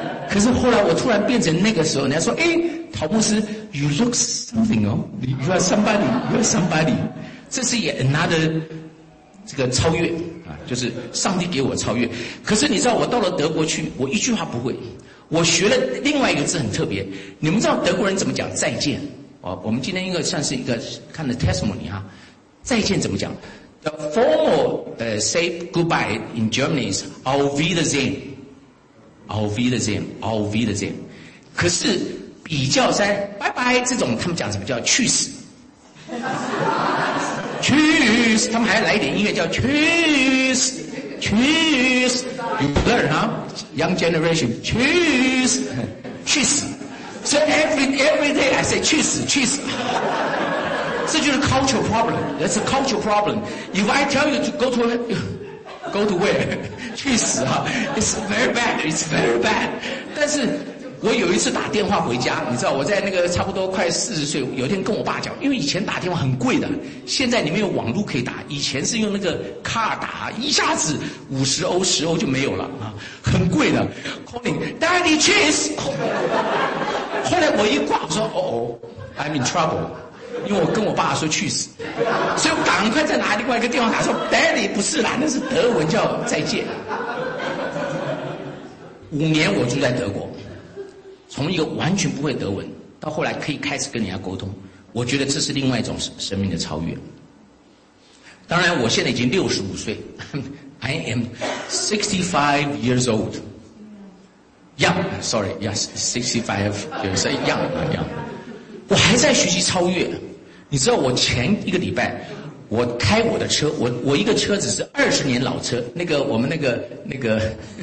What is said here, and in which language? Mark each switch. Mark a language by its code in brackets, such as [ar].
[zh] 可是后来我突然变成那个时候，人家说哎，陶牧师 [en] you look something [zh] 哦， [en] you are somebody， [zh] 这是 another这个超越啊，就是上帝给我超越。可是你知道我到了德国去，我一句话不会。我学了另外一个字很特别，你们知道德国人怎么讲再见哦？我们今天应该算是一个看的 [en] testimony 哈， [zh] 再见怎么讲 [en] ？The formal say goodbye in Germany is [de] Auf Wiedersehen， Auf Wiedersehen， Auf Wiedersehen。 [zh] 可是比较在拜拜这种，他们讲什么叫去死？ [en] Cheers， [zh] 他们还来一点音乐叫 [en] Cheers， Cheers， you learn 哈、huh? ，Young generation， Cheers， [zh] 去死。 [en] So every day I say [zh] 去死，去死。这就是 [en] cultural problem， that's a cultural problem。 If I tell you to go to where， [zh] 去死 [en] 哈、huh? ，it's very bad， it's very bad。 [zh] 但是我有一次打电话回家，你知道我在那个差不多快40岁，有一天跟我爸讲，因为以前打电话很贵的，现在你没有网络可以打，以前是用那个卡打，一下子50欧10欧就没有了啊，很贵的。 [en] Calling Daddy Cheese。 [zh] 后来我一挂，我说哦哦、oh, ， [en] I'm in trouble， [zh] 因为我跟我爸说去死，所以我赶快再拿另外一个电话卡说 Daddy 不是啦，那是德文叫再见。 5年我住在德国。从一个完全不会德文到后来可以开始跟人家沟通，我觉得这是另外一种生命的超越。当然我现在已经65岁， [en] I am 65 years old young， sorry yes 65 years old young， [zh] 我还在学习超越。你知道我前一个礼拜我开我的车，我一个车子是20年老车，那个我们那个